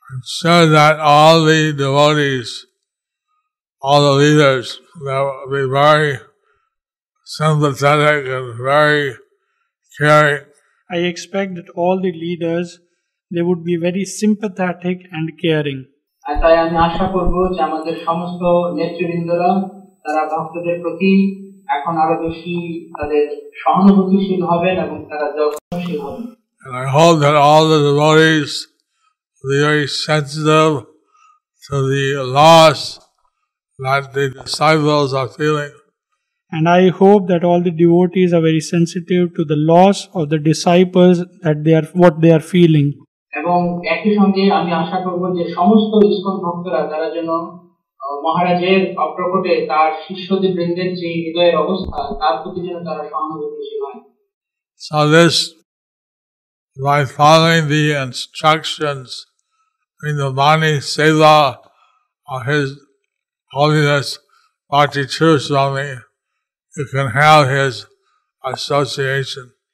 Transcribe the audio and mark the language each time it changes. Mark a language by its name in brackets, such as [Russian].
[English] So that all the devotees, all the leaders, they were very sympathetic and very caring. I expect that all the leaders, they would be very sympathetic and caring. [Bangla] তাই আমি আশা করবো যে আমাদের সমস্ত নেতৃবৃন্দরা তারা ভক্তদের প্রতি এখন আরো বেশি তাদের সহানুভূতিশীল হবেন এবং তারা যত্নশীল হবেন. [English] And I hope that all the devotees are very sensitive to the loss that the disciples are feeling. And I hope that all the devotees are very sensitive to the loss of the disciples that they are what they are feeling. [Bangla] এবং একই সঙ্গে আমি আশা করব যে সমস্ত ISKCON ভক্তরা যারা যেন মহারাজের অপ্রকটে তার শিষ্যদের বৃন্দের যে হৃদয়ের অবস্থা তার প্রতি যেন তারা সহানুভূতিশীল হয়. [English] So this, by following the instructions in the Vani Sela of His Holiness Bhaktisiddhanta Swami, you can have His association.